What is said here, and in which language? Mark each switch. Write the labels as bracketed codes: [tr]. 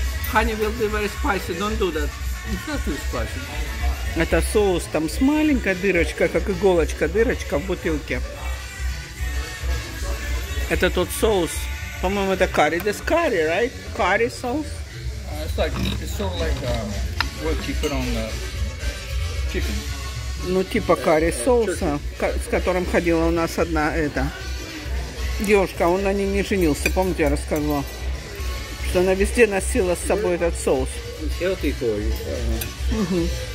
[en] Honey will be very spicy. Don't do that. It's not spicy. [ru] Это соус там с маленькой дырочкой, как иголочка, дырочка в бутылке. Это тот соус, по-моему, это карри. [en] This curry, right? Curry sauce? It's sort of like what you put on the chicken. [ru] Ну, типа карри соуса, с которым ходила у нас одна эта девушка. Он на ней не женился, помните, я рассказывала, что она везде носила с собой этот соус. [en] Healthy for you.